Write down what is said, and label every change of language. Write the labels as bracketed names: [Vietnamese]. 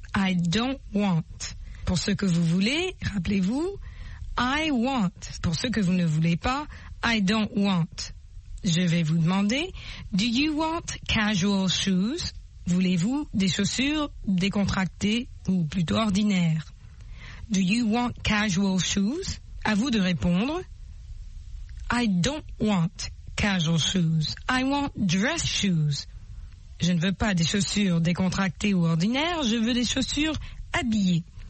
[English] I don't want. [French] Pour ce que vous voulez, rappelez-vous, [English] I want. [French] Pour ce que vous ne voulez pas, [English] I don't want. [French] Je vais vous demander, [English] do you want casual shoes? [French] Voulez-vous des chaussures décontractées ou plutôt ordinaires? [English] Do you want casual shoes? [French] À vous de répondre. [English] I don't want casual shoes. I want dress shoes. [French] Je ne veux pas des chaussures décontractées ou ordinaires. Je veux des chaussures habillées.